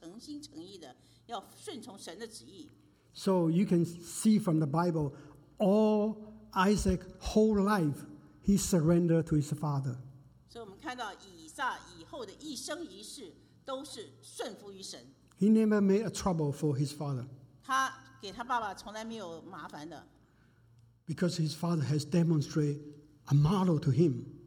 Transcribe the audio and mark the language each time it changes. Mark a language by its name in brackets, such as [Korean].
[Chinese] 然后以撒在绑在坛上，眼睁睁看到他爸爸是这么诚心诚意的要顺从神的旨意。 [English] So you can see from the Bible, all Isaac's whole life, he surrendered to his father. [Chinese] 所以我们看到以撒以后的一生一世都是顺服于神。 [English] He never made a trouble for his father. [Chinese] 他给他爸爸从来没有麻烦的。 [English] Because his father has demonstrated a model to him.